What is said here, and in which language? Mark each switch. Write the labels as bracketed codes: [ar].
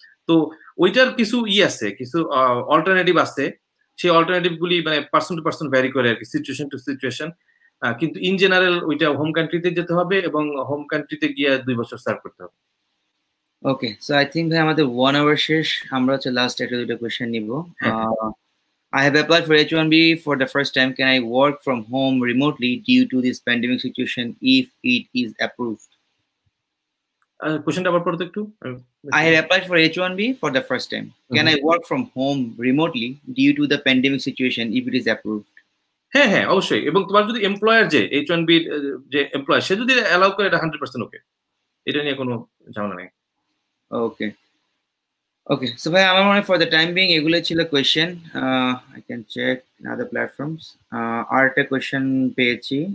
[bn] তো ওইটার কিছু আছে, কিছু অল্টারনেটিভ আছে, সেই অল্টারনেটিভ গুলি মানে পার্সন টু পার্সন ভ্যারি করে আর কি, [en] situation to situation, [bn] কিন্তু [en] in general [bn] ওইটা হোম কান্ট্রিতে যেতে হবে এবং হোম কান্ট্রিতে গিয়ে 2 বছর সার্ভ করতে হবে। ওকে, সো আই থিঙ্ক ভাই আমাদের 1 আওয়ার শেষ, আমরা হচ্ছে লাস্ট একটা দুটো কোয়েশ্চেন নিব। [en] I have applied for H1B for the first time. Can I work from home remotely due to this pandemic situation if it is approved? Question about product two. I have applied for H1B for the first time. Can I work from home remotely due to the pandemic situation if it is approved? [bn] হ্যাঁ হ্যাঁ অবশ্যই, এবং তোমার যদি employer যে H1B যে employer সে যদি allow করে এটা 100% ওকে, এটা নিয়ে কোনো ঝামেলা নেই। ওকে ওকে, সো ভাই আমার মনে হয় [en] for the time being [bn] এগুলোই ছিল question. [en] I can check other platforms, [bn] আর একটা কোয়েশ্চেন পেয়েছি।